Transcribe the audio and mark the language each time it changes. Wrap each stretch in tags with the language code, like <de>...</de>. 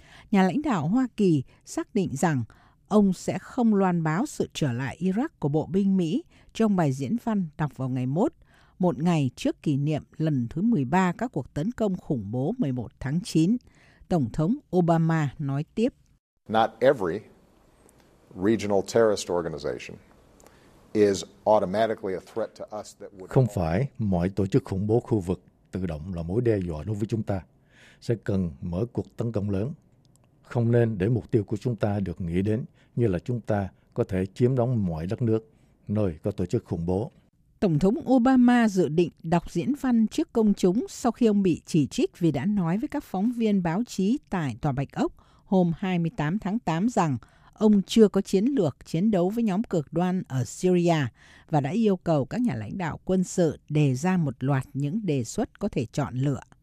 <vi>Nhà lãnh đạo Hoa Kỳ xác định rằng ông sẽ không loan báo sự trở lại Iraq của bộ binh Mỹ trong bài diễn văn đọc vào ngày mốt, một ngày trước kỷ niệm lần thứ 13 các cuộc tấn công khủng bố 11 tháng 9. Tổng thống Obama nói tiếp:</vi> <en>"Not every regional terrorist organization is automatically a threat to us that would..."</en> <vi>Không phải mọi tổ chức khủng bố khu vực tự động là mối đe dọa đối với chúng ta. Sẽ cần mở cuộc tấn công lớn. Không nên để mục tiêu của chúng ta được nghĩ đến như là chúng ta có thể chiếm đóng mọi đất nước nơi có tổ chức khủng bố. Tổng thống Obama dự định đọc diễn văn trước công chúng sau khi ông bị chỉ trích vì đã nói với các phóng viên báo chí tại Tòa Bạch Ốc hôm 28 tháng 8 rằng ông chưa có chiến lược chiến đấu với nhóm cực đoan ở Syria và đã yêu cầu các nhà lãnh đạo quân sự đề ra một loạt những đề xuất có thể chọn lựa.</vi>